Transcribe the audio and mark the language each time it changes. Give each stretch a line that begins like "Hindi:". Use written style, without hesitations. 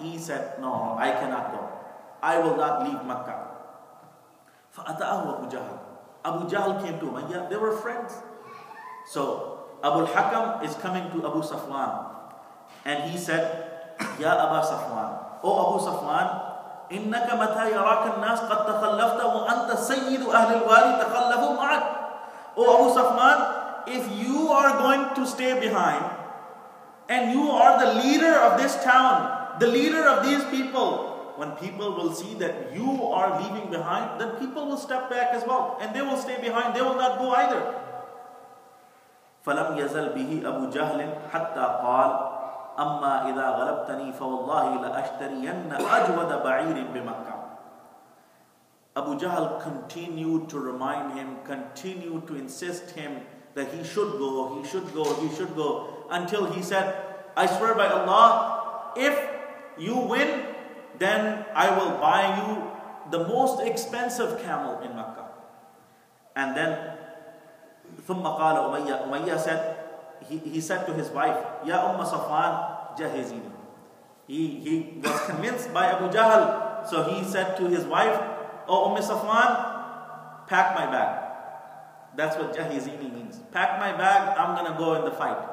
English: He said, no, I cannot go. I will not leave Makkah.
Arabic: فَأَتَأَهُ أَبُو جَهَلْ.
English: Abu Jahl came to Umayyah. They were friends. So Abu al-Hakam is coming to Abu Safwan. And he said, Ya Abu Safwan. Oh Abu Safwan,
Arabic: إِنَّكَ مَتَى يَرَاكَ النَّاسِ قَدْ تَخَلَّفْتَ وَأَنْتَ سَيِّدُ أَهْلِ الْوَالِ تَخَلَّفُوا مَعَكَ.
English: Oh Abu Safwan, if you are going to stay behind and you are the leader of this town, the leader of these people, when people will see that you are leaving behind, then people will step back as well and they will stay behind, they will not go either.
Arabic: فَلَمْ يَزَلْ بِهِ أَبُو جَهْلٍ حَتَّى قَالْ أَمَّا إِذَا غَلَبْتَنِي فَوَاللَّهِ لَأَشْتَرِيَنَّ أَجْوَدَ بَعِيرٍ بِمَكَّةٍ.
English: Abu Jahl continued to remind him, continued to insist him that he should go, he should go, he should go, until he said, I swear by Allah, if you win, then I will buy you the most expensive camel in Makkah. And then
Arabic: ثُمَّ قَالَ أُمَيَّةَ.
English: Umayyah said, he said to his wife, Ya Umma Safwan, jahizini. He was convinced by Abu Jahl, so he said to his wife, Oh Umm Safwan, pack my bag. That's what jahizini means. Pack my bag, I'm gonna go in the fight.